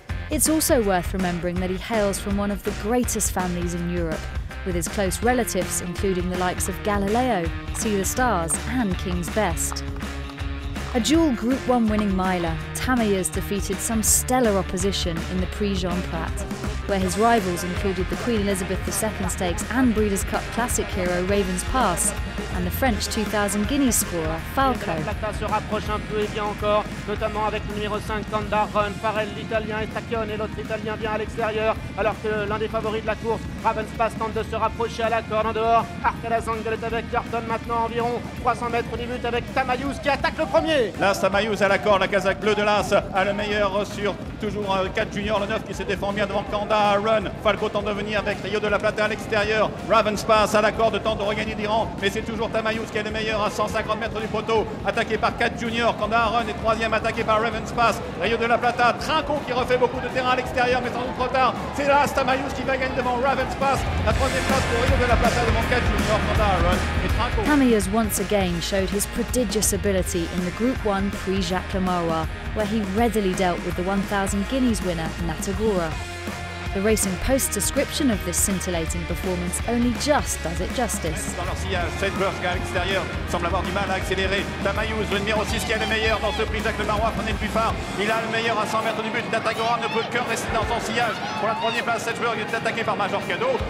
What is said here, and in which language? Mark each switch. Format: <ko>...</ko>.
<en>It's also worth remembering that he hails from one of the greatest families in Europe, with his close relatives including the likes of Galileo, See the Stars and King's Best. A dual Group 1 winning miler, Tamiyas defeated some stellar opposition in the Prix Jean Prat, where his rivals included the Queen Elizabeth II Stakes and Breeders' Cup Classic hero Raven's Pass, and the French 2000 Guineas scorer Falco.</en> <fr>La plata se rapproche un peu et bien encore, notamment avec le numéro 5 Tandar Run. Farrell, l'Italien, et Tacchione, et l'autre Italien vient à l'extérieur, alors que l'un des favoris de la course, Raven's Pass, tente de se rapprocher à la corde en dehors. Arcala Zangle est avec Yorton maintenant environ 300 mètres au début avec Tamayous qui attaque le premier. L'As Tamayous à la corde, la casaque bleue de l'As a le meilleur sur toujours 4 juniors, le 9 qui se défend bien devant Kanda. Run, Falco tente de venir avec Rio de la Plata à l'extérieur, Raven's Pass à la corde tente de regagner d'Iran, mais c'est toujours Tamayous qui est le meilleur à 150 mètres du poteau, attaqué par 4 juniors, Kanda Run est troisième, attaqué par Raven's Pass, Rio de la Plata, Trinco qui refait beaucoup de terrain à l'extérieur, mais sans doute trop tard, c'est là Tamayous qui va gagner devant Raven's Pass, la troisième place pour Rio de la Plata devant 4 juniors, Kanda Run et Trinco.</fr> <en>Tamayous once again showed his prodigious ability in the Group 1 Prix Jacques Le Marois, where he readily dealt with the 1,000 guineas winner Natagora. The Racing Post description of this scintillating performance only just does it justice.</en> <fr>Garcia, Sedberg à l'extérieur, semble avoir du mal à accélérer. Tamayous, le numéro 6 qui est le meilleur dans ce prix Jacques Le Marois, prenez le plus phare. Il a le meilleur à 100 mètres du but. Natagora ne peut que rester dans son sillage. Pour la troisième place, Sedberg est attaqué par Major Cadeau.</fr>